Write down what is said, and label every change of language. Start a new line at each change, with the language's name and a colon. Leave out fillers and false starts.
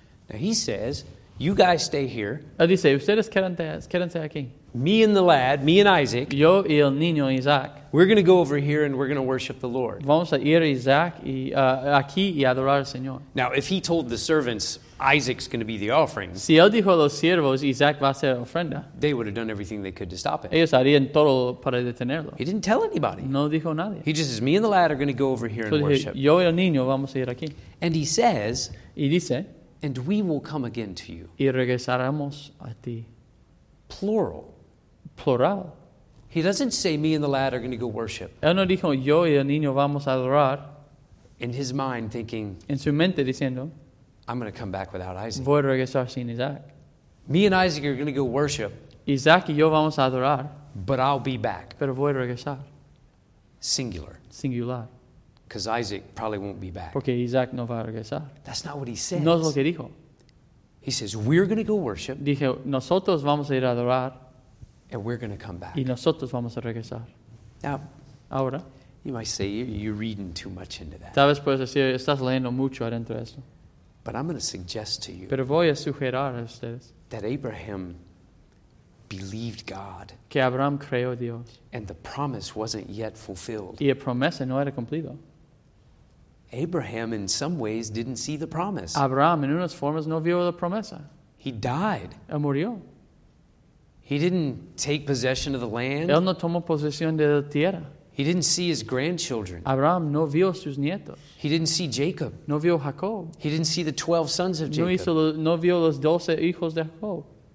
English: Now he says, you guys stay here.
Spanish: Él dice, ustedes quédense aquí.
English: Me and the lad, me and Isaac.
Spanish: Yo y el niño Isaac.
English: We're going to go over here and we're going to worship the Lord.
Spanish: Vamos a ir a Isaac y, aquí y adorar al Señor.
English: Now if he told the servants, Isaac's going to be the offering.
Spanish: Si él dijo a los siervos, Isaac va a ser ofrenda.
English: They would have done everything they could to stop it.
Spanish: Ellos harían todo para detenerlo.
English: He didn't tell anybody.
Spanish: No dijo nadie.
English: He just says, me and the lad are going to go over here so and
Spanish: dije,
English: worship.
Spanish: Yo y el niño vamos a ir aquí.
English: And he says,
Spanish: y dice,
English: and we will come again to you.
Spanish: Y regresaremos a ti.
English: Plural.
Spanish: Plural.
English: He doesn't say, me and the lad are going to go worship.
Spanish: Él no dijo, yo y el niño vamos a adorar.
English: In his mind thinking,
Spanish: en su mente diciendo,
English: I'm going to come back without Isaac.
Spanish: Voy a regresar sin Isaac.
English: Me and Isaac are going to go worship.
Spanish: Isaac y yo vamos a adorar.
English: But I'll be back.
Spanish: Pero voy a regresar.
English: Singular.
Spanish: Singular.
English: Because Isaac probably won't be back.
Spanish: Porque Isaac no va a regresar.
English: That's not what he says.
Spanish: No es lo que dijo.
English: He says, we're going to go worship.
Spanish: Dije, nosotros vamos a ir a adorar.
English: And we're going to come back.
Spanish: Y nosotros vamos a regresar.
English: Now,
Spanish: ahora.
English: You might say, you're reading too much into that.
Spanish: Tal vez puedes decir, estás leyendo mucho adentro de eso.
English: But I'm going to suggest to you.
Spanish: Pero voy a sugerir a ustedes.
English: That Abraham believed God.
Spanish: Que Abraham creyó Dios.
English: And the promise wasn't yet fulfilled.
Spanish: Y la promesa no era cumplida.
English: Abraham, in some ways, didn't see the promise.
Spanish: Abraham, en unas formas, no vio la promesa.
English: He died.
Spanish: Él murió.
English: He didn't take possession of the land.
Spanish: Él no tomó posesión de la tierra.
English: He didn't see his grandchildren.
Spanish: Abraham no vio sus nietos.
English: He didn't see Jacob.
Spanish: No vio Jacob.
English: He didn't see the 12 sons of Jacob.
Spanish: No vio los 12 hijos de Jacob.